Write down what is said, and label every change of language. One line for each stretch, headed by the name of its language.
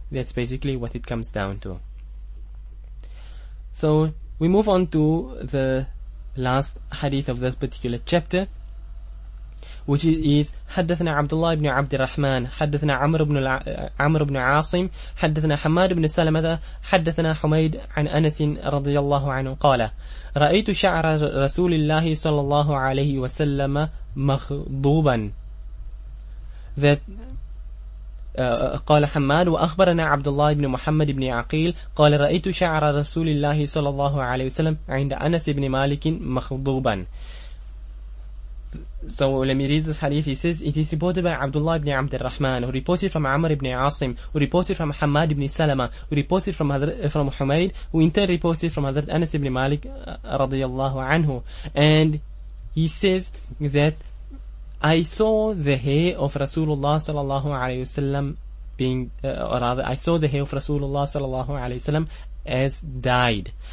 English: That's basically what it comes down to. So we move on to the last hadith of this particular chapter, which is
Arabic: حدثنا عبد الله بن عبد الرحمن حدثنا عمرو بن عاصم حدثنا حماد بن سلمة حدثنا حميد عن أنس رضي الله عنه قال رأيت شعر رسول الله صلى الله عليه وسلم مخضوبا. That قال حماد وأخبرنا عبد الله بن محمد بن عقيل قال رأيت شعر رسول الله صلى الله عليه وسلم عند أنس بن مالك مخضوبا.
English: So let me read this hadith. He says, it is reported by Abdullah ibn Abd al-Rahman, who reported from Amr ibn Asim, who reported from Hamad ibn Salama, who reported from Humayd, who in turn reported from Hazrat Anas ibn Malik radiyallahu anhu. And he says that I saw the hair of Rasulullah sallallahu alayhi wa sallam I saw the hair of Rasulullah sallallahu alayhi wa sallam as dyed.